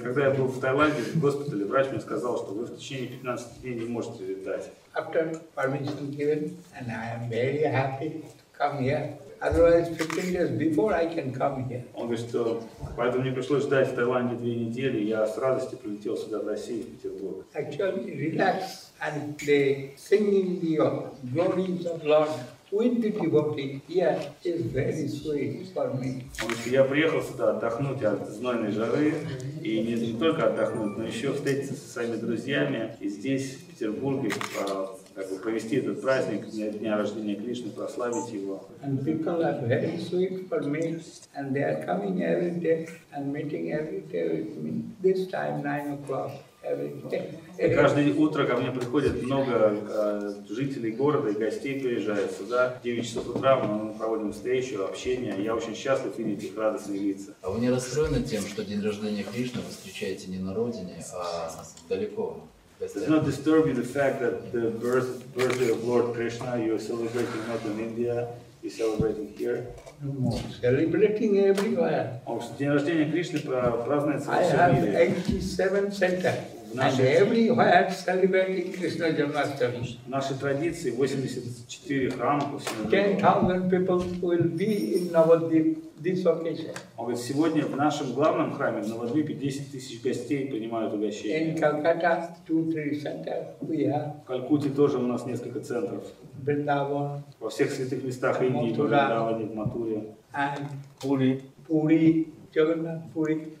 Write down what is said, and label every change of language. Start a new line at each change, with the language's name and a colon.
Russian: когда я был в Таиланде, в госпитале, врач мне сказал, что вы в течение 15 дней не можете летать.
English: After permission given, and I am very happy to come here. Otherwise, 15 days before I can come here.
Russian: Он говорит, что поэтому мне пришлось ждать в Таиланде 2 недели. Я с радостью прилетел сюда в Россию, в Петербург.
English: Actually, relax and play, singing the glories of Lord with the devotee here is very sweet for me.
Russian: Он говорит, я приехал сюда отдохнуть от знойной жары. И не только отдохнуть, но еще встретиться со своими друзьями и здесь, в Петербурге, как бы провести этот праздник дня рождения Кришны, прославить его.
English: And people are very sweet for me, and they are coming every day and meeting every day with me. This time 9 o'clock every day.
Russian: Каждое утро ко мне приходит много жителей города и гостей приезжают сюда. 9 часов утра мы проводим встречу, общение. Я очень счастлив видеть их радостные лица. А вы не расстроены тем, что день рождения Кришны вы встречаете не на родине, а далеко?
English: Does not disturb you the fact that the birthday of Lord Krishna you are celebrating not in India, you are celebrating here? No, celebrating everywhere.
Russian: День рождения Кришны празднуется во всем мире.
English: I have 87 centers.
Russian: В нашей традиции 84 храма по всему миру.
English: 10,000 people will be in Navadvip this occasion.
Russian: Он говорит, сегодня в нашем главном храме в Навадвипе 10,000 гостей принимают угощение.
English: In Calcutta 2-3 centers we have.
Russian: В Калькутте тоже у нас несколько центров. Бриндаван. Во всех святых местах Индии, в Бриндаване, в Матуре.
English: And Пури. Пури. Джагнат Пури.